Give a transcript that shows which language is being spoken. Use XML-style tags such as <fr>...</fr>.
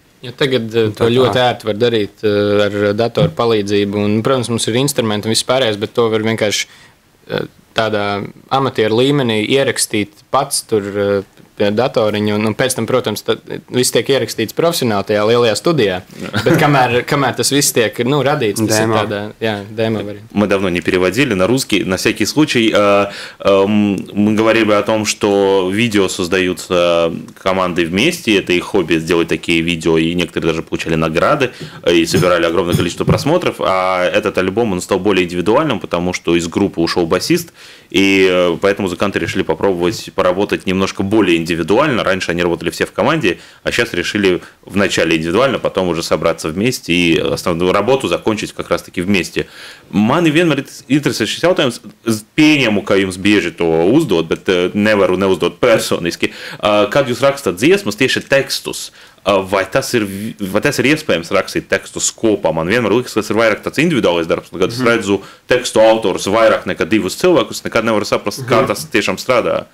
<lv>Ja tagad to ļoti ērti var darīt ar datoru palīdzību, un, protams, mums ir instrumenti un viss pārējais, bet to var vienkārši tādā amatieru līmenī ierakstīt pats tur pie datoriņa, un pēc tam, protams, viss tiek ierakstīts profesionāli tajā lielajā studijā, bet kamēr, kamēr tas viss tiek nu, radīts, tas demo. Ir tādā, jā, demo variantā.</lv> <ru>Мы давно не переводили на русский, на всякий случай. Мы говорили о том, что видео создаются командой вместе, это их хобби сделать такие видео, и некоторые даже получали награды и собирали огромное количество просмотров, а этот альбом, он стал более индивидуальным, потому что из группы ушел басист, и поэтому музыканты решили попробовать поработать немножко более индивидуально. Раньше они работали все в команде, а сейчас решили вначале индивидуально, потом уже собраться вместе и основную работу закончить как раз-таки вместе.</ru> <lv>Man vienmēr interesējušas jautājums, pieņemu, ka jums bieži to uzdot, bet nevaru neuzdot personiski. Kad jūs rakstat dziesmas, tieši tekstus, vai tas ir iespējams rakstīt tekstus kopā? Man vienmēr liekas, ka tas ir vairāk tāds individuālais darbs, kad es redzu tekstu autorus vairāk nekā divus cilvēkus, nekad nevaru saprast, kā tas tiešām strādā.</lv>